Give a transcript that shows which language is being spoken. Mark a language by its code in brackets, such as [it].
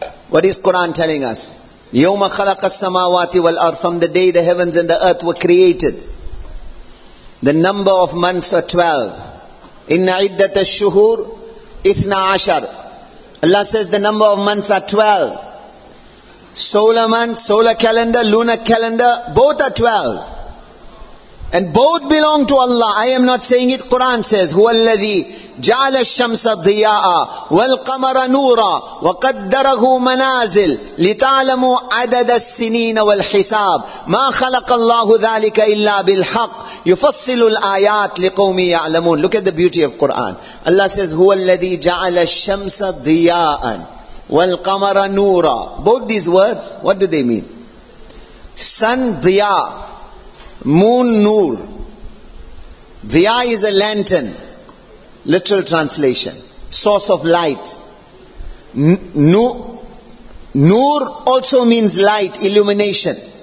[en] What is Quran telling us? [ar] Yawma khalaqa as-samawati wal ard, [en] from the day the heavens and the earth were created, the number of months are 12. [ar] Inna iddata shuhur ithna ashar. [en] Allah says the number of months are 12. Solar month, solar calendar, lunar calendar, both are 12. And both belong to Allah. I am not saying it. Quran says, [ar] هو الذي جعل الشمس ضياء والقمر نورا وقدره منازل لتعلموا عدد السنين والحساب ما خلق الله ذلك إلا بالحق يفصل الآيات لقوم يعلمون. [en] Look at the beauty of Quran. Allah says, [ar] هو الذي جعل الشمس ضياء وَالْقَمَرَ نُورًا. [en] Both these words, what do they mean? Sun, dhiya. Moon, noor. Dhiya is a lantern. Literal translation. Source of light. Noor also means light, illumination.